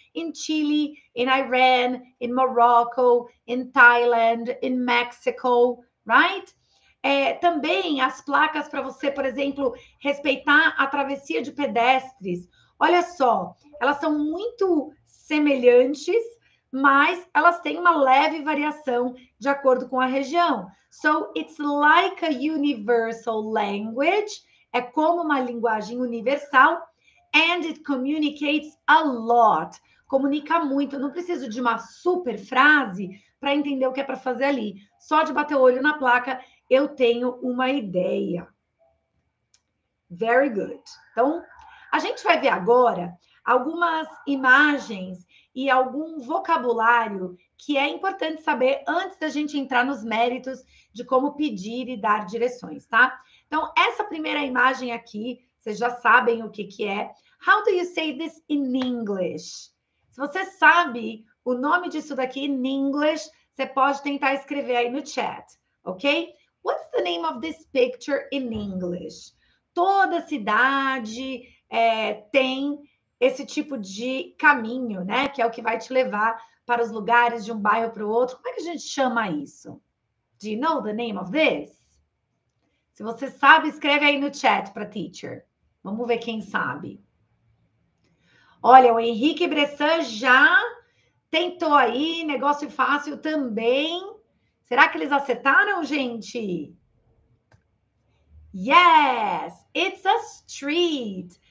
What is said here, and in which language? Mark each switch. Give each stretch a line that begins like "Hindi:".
Portuguese: Em Chile, em Iran, em Morocco, em Thailand, em Mexico, right? Também as placas para você, por exemplo, respeitar a travessia de pedestres. Olha só, elas são muito semelhantes, mas elas têm uma leve variação de acordo com a região.
English: So, it's like a universal language.
Portuguese: É como uma linguagem universal.
English: And it communicates a lot.
Portuguese: Comunica muito. Eu não preciso de uma super frase para entender o que é para fazer ali. Só de bater o olho na placa, eu tenho uma ideia.
English: Very good.
Portuguese: Então, a gente vai ver agora algumas imagens e algum vocabulário que é importante saber antes da gente entrar nos méritos de como pedir e dar direções, tá? Então, essa primeira imagem aqui, vocês já sabem o que que é.
English: How do you say this in English?
Portuguese: Se você sabe o nome disso daqui
English: in English,
Portuguese: você pode tentar escrever aí no chat, ok?
English: What's the name of this picture in English?
Portuguese: Toda cidade tem esse tipo de caminho, né? Que é o que vai te levar para os lugares de um bairro para o outro. Como é que a gente chama isso?
English: Do you know the name of this?
Portuguese: Se você sabe, escreve aí no chat para teacher. Vamos ver quem sabe. Olha, o Henrique Bressan já tentou aí, negócio fácil também. Será que eles acertaram, gente?
English: Yes, it's a street.